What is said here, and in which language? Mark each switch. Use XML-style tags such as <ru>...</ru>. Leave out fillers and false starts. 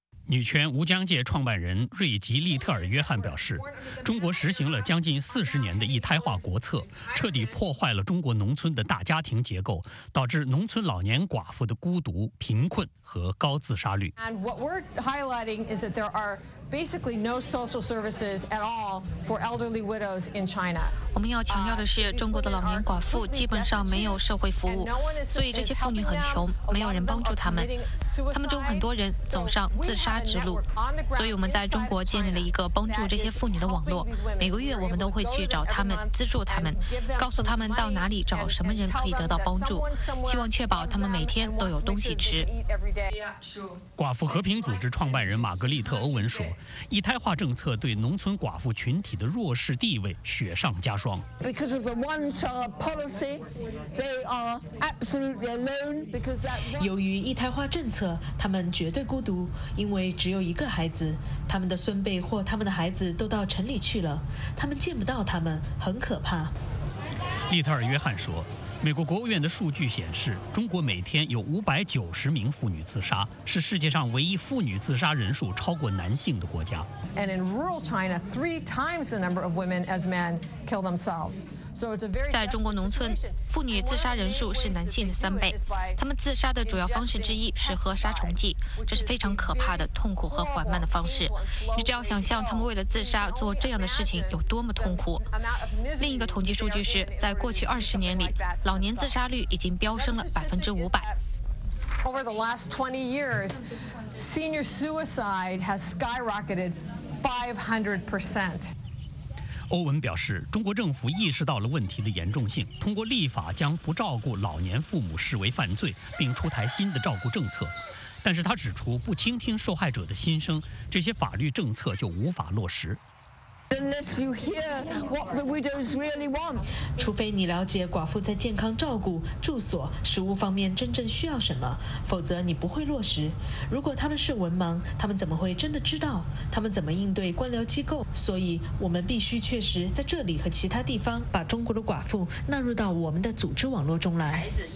<zh>女权无疆界创办人瑞吉利特尔·约翰表示，中国实行了将近40年的一胎化国策，彻底破坏了中国农村的大家庭结构，导致农村老年寡妇的孤独、贫困和高自杀率。</zh> <en>And what we're highlighting is that there are basically no social services at all for elderly widows in China.</en> <zh>我们要强调的是，中国的老年寡妇基本上没有社会服务，所以这些妇女很穷，没有人帮助她们。她们中很多人走上自杀之路，所以我们在中国建立了一个帮助这些妇女的网络。每个月我们都会去找她们，资助她们，告诉她们到哪里找什么人可以得到帮助，希望确保她们每天都有东西吃。寡妇和平组织创办人玛格丽特·欧文说，一胎化政策对农村寡妇群体的弱势地位雪上加霜。</zh> <en>Because of the one-child policy, they are absolutely alone. Because that.</en> <zh>由于一胎化政策，他们绝对孤独，因为只有一个孩子，他们的孙辈或他们的孩子都到城里去了，他们见不到他们，很可怕。利特尔·约翰说，美国国务院的数据显示，中国每天有590名妇女自杀，是世界上唯一妇女自杀人数超过男性的国家。</zh> <en>And in rural China, 3 times the number of women as men kill themselves. So it's a very.</en> <zh>在中国农村，妇女自杀人数是男性的3倍。他们自杀的主要方式之一是喝杀虫剂，这是非常可怕的、痛苦和缓慢的方式。你只要想象他们为了自杀做这样的事情有多么痛苦。另一个统计数据是，在过去20年里，老年自杀率已经飙升了500%。</zh> <en>Over the last 20 years, senior suicide has skyrocketed 500%.</en> <zh>欧文表示，中国政府意识到了问题的严重性，通过立法将不照顾老年父母视为犯罪，并出台新的照顾政策。但是他指出，不倾听受害者的心声，这些法律政策就无法落实。</zh> <en>Unless you hear what the widows really want,</en> <zh>除非你了解寡妇在健康照顾、住所、食物方面真正需要什么，否则你不会落实。如果他们是文盲，他们怎么会真的知道？他们怎么应对官僚机构？所以，我们必须确实在这里和其他地方把中国的寡妇纳入到我们的组织网络中来。</zh>